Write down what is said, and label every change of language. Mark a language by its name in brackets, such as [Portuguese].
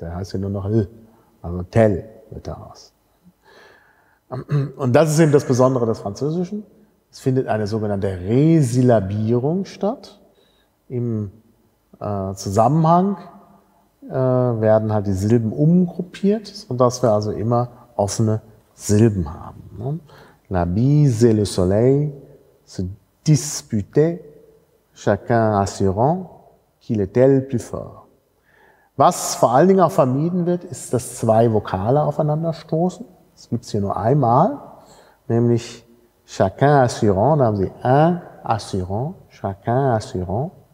[German] Der heißt ja nur noch l, also tel wird daraus. Und das ist eben das Besondere des Französischen. Es findet eine sogenannte Resyllabierung statt. Im Zusammenhang werden halt die Silben umgruppiert, sodass wir also immer offene Silben haben. [French] La bise et le soleil se disputaient, chacun assurant qu'il était le plus fort. [German] Was vor allen Dingen auch vermieden wird, ist, dass zwei Vokale aufeinander stoßen. Das gibt es hier nur einmal, nämlich [French] chacun assurant, [German] da haben Sie [French] un assurant, chacun assurant.